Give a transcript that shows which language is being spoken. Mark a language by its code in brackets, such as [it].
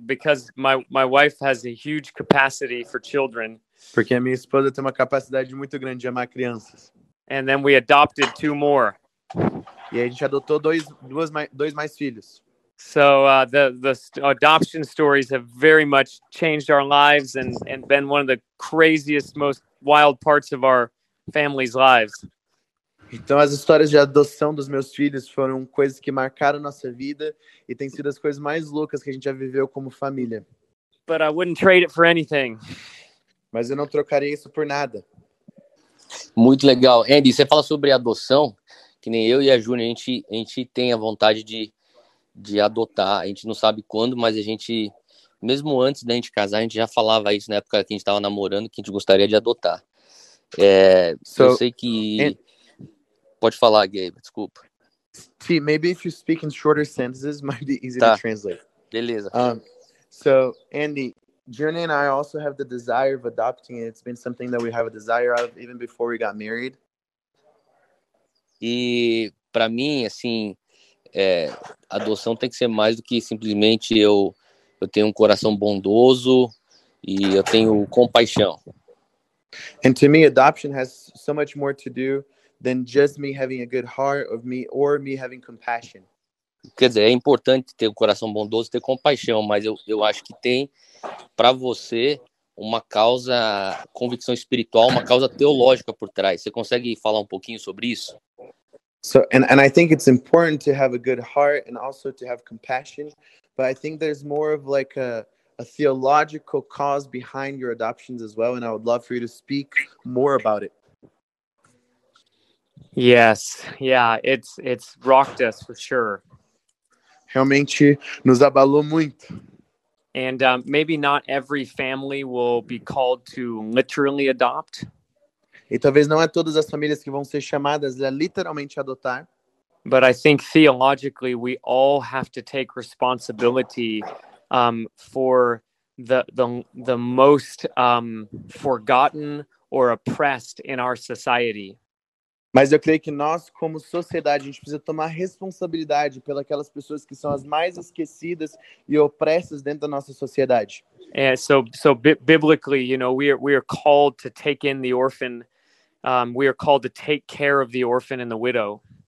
[en] Because my wife has a huge capacity for children. [pt] Porque a minha esposa tem uma capacidade muito grande de amar crianças. [en] And then we adopted 2 more. [pt] E aí a gente adotou dois mais filhos. [en] So the adoption stories have very much changed our lives and been one of the craziest, most wild parts of our family's lives. [pt] Então as histórias de adoção dos meus filhos foram coisas que marcaram nossa vida e tem sido as coisas mais loucas que a gente já viveu como família. [en] But I wouldn't trade it for anything. [pt] Mas eu não trocaria isso por nada. Muito legal. Andy, você fala sobre adoção, que nem eu e a Júnior, a gente tem a vontade de adotar. A gente não sabe quando, mas a gente, mesmo antes da gente casar, a gente já falava isso na época que a gente estava namorando, que a gente gostaria de adotar. Eu sei que... Pode falar, Gabe, desculpa. [en] See, maybe if you speak in shorter sentences, might be easy to translate. [pt] Beleza. [en] So, Andy, Journey and I also have the desire of adopting it. It's been something that we have a desire of even before we got married. [pt] E para mim, assim, adoção tem que ser mais do que simplesmente eu tenho um coração bondoso e eu tenho compaixão. [en] And to me, adoption has so much more to do than just me having a good heart of me or me having compassion. [pt] Quer dizer, é importante ter um coração bondoso, ter compaixão, mas eu acho que tem para você uma causa, convicção espiritual, uma causa teológica por trás. Você consegue falar um pouquinho sobre isso? [en] So, and I think it's important to have a good heart and also to have compassion, but I think there's more of like a theological cause behind your adoptions as well, and I would love for you to speak more about it. Yes, yeah, it's rocked us for sure. [pt] Realmente nos abalou muito. [en] And maybe not every family will be called to literally adopt. [pt] E talvez não é todas as famílias que vão ser chamadas a literalmente adotar. [en] But I think theologically we all have to take responsibility for the most forgotten or oppressed in our society. [pt] Mas eu creio que nós, como sociedade, a gente precisa tomar responsabilidade pelas aquelas pessoas que são as mais esquecidas e opressas dentro da nossa sociedade. [en] So biblically, you know, we are called to take in the orphan. We are called to take care of the orphan and the widow.